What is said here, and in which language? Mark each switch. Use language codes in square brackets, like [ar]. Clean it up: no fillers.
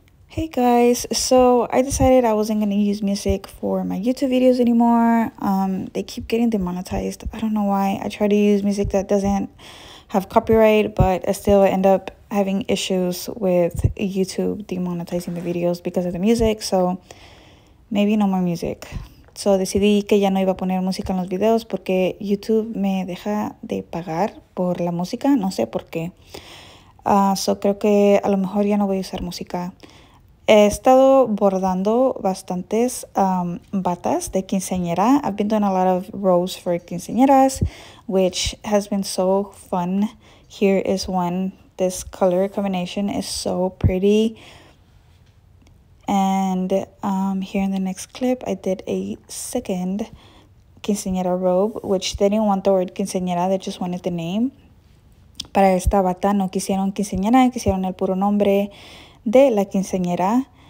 [en] Hey guys, so I decided I wasn't going to use music for my YouTube videos anymore. They keep getting demonetized. I don't know why. I try to use music that doesn't have copyright, but I still end up having issues with YouTube demonetizing the videos because of the music. So maybe no more music. [es] So decidí que ya no iba a poner música en los videos porque YouTube me deja de pagar por la música. No sé por qué. So creo que a lo mejor ya no voy a usar música. He estado bordando bastantes batas de quinceañera. [en] I've been doing a lot of rows for quinceañeras, which has been so fun. Here is one. This color combination is so pretty. And here in the next clip, I did a second quinceañera robe, which they didn't want the word quinceañera. They just wanted the name. [es] Para esta bata no quisieron quinceañera, quisieron el puro nombre de la quinceañera.